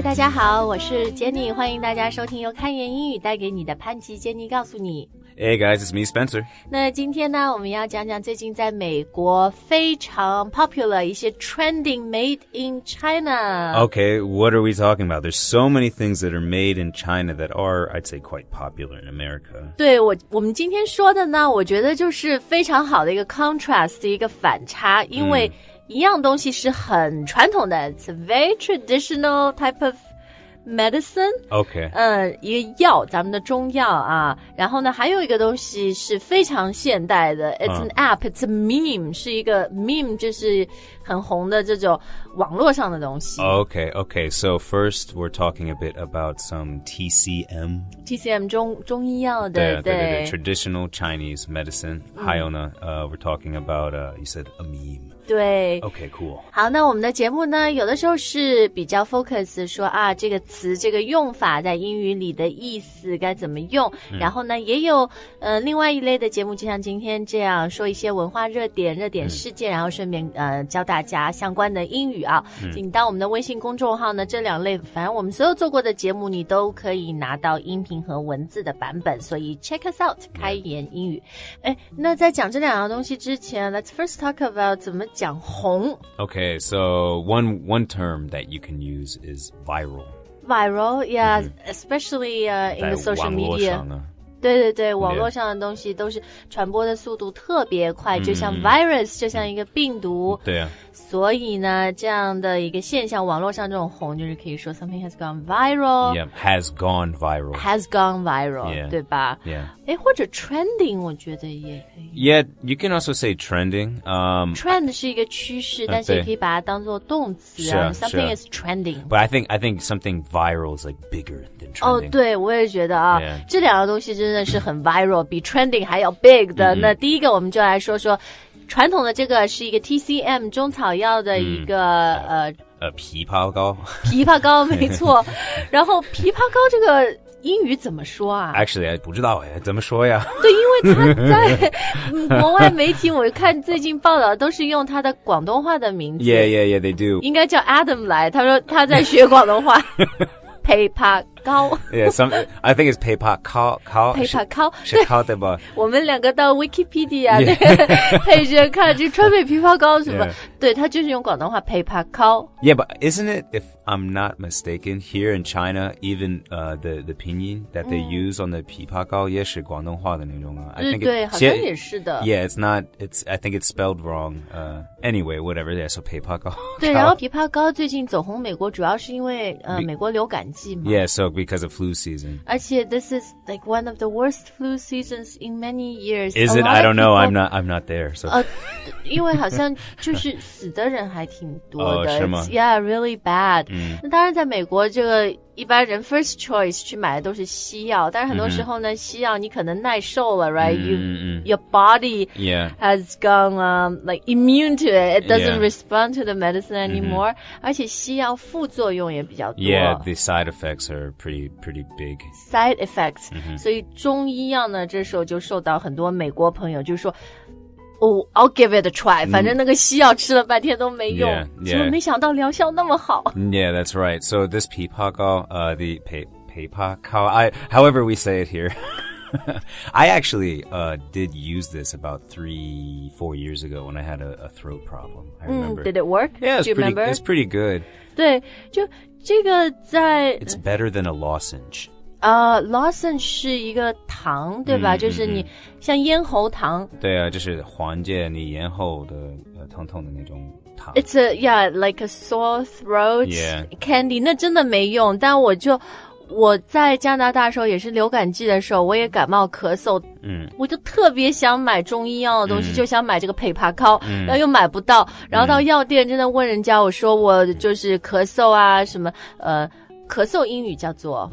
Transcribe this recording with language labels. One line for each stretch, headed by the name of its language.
Chinese: 好，我是 Jenny， 欢迎大家收听由看言英语带给你的潘吉 Jenny 告诉你。
English: Hey guys, it's me, Spencer.
Chinese: 那今天呢，我们要讲讲最近在美国非常 popular 一些
English: trending made in China. Okay, what are we talking about? There's so many things that are made in China that are, I'd say, quite popular in America.
Chinese: 对，我们今天说的呢，我觉得就是非常好的一个 contrast, 一个反差，因为一样东西是很传统的
English: it's a very traditional type of medicine. Okay.
Chinese: 一个药，咱们的中药啊。然后呢，还有一个东西是非常现代的
English: it's an app, it's a meme,
Chinese: 是一个 meme, 就是很红的这种网络上的东西。
English: Okay, okay. So first, we're talking a bit about some TCM.
Chinese: TCM, 中医药的。
English: 对。Traditional Chinese medicine.
Chinese: 还有呢
English: we're talking about, you said a meme.
Chinese: 对
English: Okay, cool.
Chinese: 好，那我们的节目呢，有的时候是比较 focus 说啊，这个词这个用法在英语里的意思该怎么用。然后呢，也有另外一类的节目，就像今天这样，说一些文化热点事件，然后顺便教大家相关的英语啊。请到我们的微信公众号呢，这两类，反正我们所有做过的节目，你都可以拿到音频和文字的版本。所以
English: check us out，
Chinese: 开言英语。那在讲这两样东西之前 ，
English: let's first talk about
Chinese: 怎么。讲红
English: Okay, so one term that you can use is viral. Viral, yeah, especially in the social media.
Chinese: 对对对，网络上的东西都是传播的速度特别快，就像 virus, 就像一个病毒。对啊。所以呢，这样的一个现象，网络上这种红，就是可以说
English: something has gone viral. Yeah, has gone viral. Has gone viral, 对吧？ Yeah.
Chinese: 或者 trending, 我觉得也可以。
English: Yeah, you can also say trending.
Chinese: Trend 是一个趋势，但是也可以把它当做动词。是啊。
English: Something is trending. But I think something viral is like bigger than trending.
Chinese: 哦，对，我也觉得啊，这两个东西真的是很 viral, 比 trending 还要 big 的。那第一个我们就来说说。传统的这个是一个 TCM 中草药的一个枇杷膏没错然后枇杷膏这个英语怎么说啊 Actually 不知道怎么说呀对因为他在国外媒体我看最近报道都是用他的广东话的名字
English: Yeah yeah yeah they do
Chinese: 应该叫 Adam 来他说他在学广东话枇杷膏
English: Yeah, some, I think it's 枇杷膏膏
Chinese: 枇杷膏是膏对吧我们两个到 Wikipedia 配着看就川贝枇杷膏什么对他就是用广东话枇杷膏
English: Yeah, but isn't it, if I'm not mistaken, here in China, even the pinyin that they use on the 枇杷膏
Chinese: 也是广东话的那种啊对好像也是的
English: Yeah, it's not, it's, I think it's spelled wrong. Anyway, whatever, yeah, so 枇杷膏
Chinese: 对然后枇杷膏最近走红美国主要是因为美国流感季嘛
English: Yeah, so because of flu season. Actually, this is like one of the worst flu seasons in many years. Is it? I don't know. I'm not there. So.
Chinese: 因为好像就是死的人还挺多的。哦，是吗？
English: Yeah, really bad.
Chinese: 那当然在美国这个一般人 first choice 去买的都是西药但是很多时候呢西药你可能耐受了
English: right? Your body has gone like immune to it. It doesn't respond to the medicine anymore.
Chinese: 而且西药副作用也比较多。
English: Yeah, the side effects are pretty big. Side effects.
Chinese: 所以中医药呢这时候就受到很多美国朋友就是说
English: Oh, I'll give it a try.
Chinese: 反正那个西药吃了半天都没用，结果没想到疗效那么好。
English: Yeah, that's right. So this 枇杷膏, the 枇杷膏, however we say it here, I actually did use this about 3-4 years ago when I had a throat problem. I remember. Did it work? Yeah, do you remember? It's pretty good.
Chinese: 对，就这个在
English: It's better than a lozenge.
Chinese: Lozenge 是一个糖对吧就是你像咽喉糖对啊就是缓解你咽喉的疼痛的那种糖
English: It's a, yeah, like a sore throat candy
Chinese: 那真的没用但我在加拿大的时候也是流感季的时候我也感冒咳嗽我就特别想买中医药的东西就想买这个枇杷膏然后又买不到然后到药店真的问人家我说我就是咳嗽啊什么咳嗽英语叫做